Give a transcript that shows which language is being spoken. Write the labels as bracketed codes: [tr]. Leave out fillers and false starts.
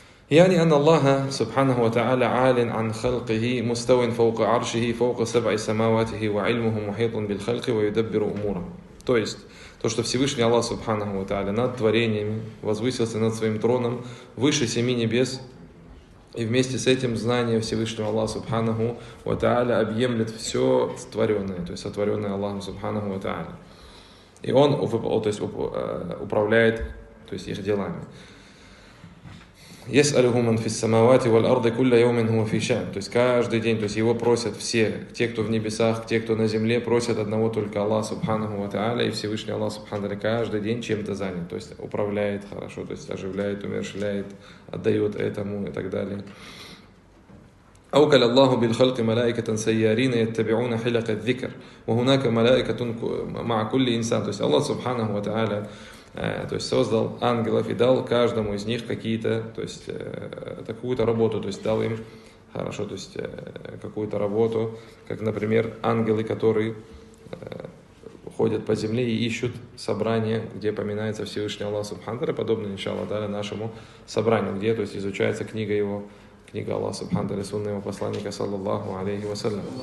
[ar] يعني أن الله سبحانه وتعالى عال عن خلقه مستوى فوق عرشه فوق سبع سماواته وعلمه محيط بالخلق ويدبر أموره. [ru] То есть то, что Всевышний Аллах سبحانه وتعالى над творениями возвысился над своим троном выше семи небес. И вместе с этим знание Всевышнего Аллаха Субханаху ва Тааля объемлет все сотворенное, то есть сотворенное Аллахом Субханаху ва Тааля. И он, то есть, управляет, то есть их делами. [ar] يسألهم من في السماوات والأرض كل يوم هو في شأن. [ru] То есть каждый день, то есть его просят все, те, кто в небесах, те, кто на земле, просят одного только Аллаха Субханаху ва Тааля, и Всевышний Аллах Субханаху ва Тааля каждый день чем-то занят, то есть управляет, хорошо, то есть оживляет, умерщвляет, отдает этому и так далее. [ar] أوكل الله بالخلق ملائكة سيارين يتبعون حلق الذكر وهناك ملائكة مع كل إنسان. [ru] То есть Аллах Субханаху ва Тааля, то есть создал ангелов и дал каждому из них какие-то, то есть какую-то работу, то есть дал им, хорошо, то есть какую-то работу, как, например, ангелы, которые ходят по земле и ищут собрание, где поминается Всевышний Аллах Субхандаля, подобно, иншаллах, дали нашему собранию, где, то есть, изучается книга его, книга Аллаха Субхандаля, сунна его посланника, саллаллаху алейхи вассалям.